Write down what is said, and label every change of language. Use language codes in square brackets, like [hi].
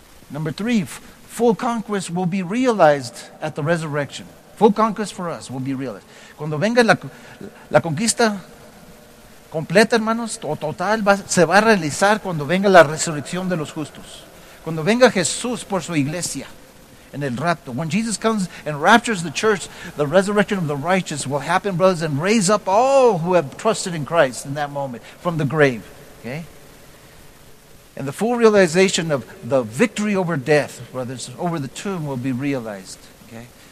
[en] Number three, full conquest will be realized at the resurrection. Full conquest for us will be realized. [es] Cuando venga la conquista completa, hermanos, o total, se va a realizar cuando venga la resurrección de los justos. Cuando venga Jesús por su iglesia en el rapto. [en] When Jesus comes and raptures the church, the resurrection of the righteous will happen, brothers, and raise up all who have trusted in Christ in that moment from the grave. Okay? And the full realization of the victory over death, brothers, over the tomb will be realized. Okay?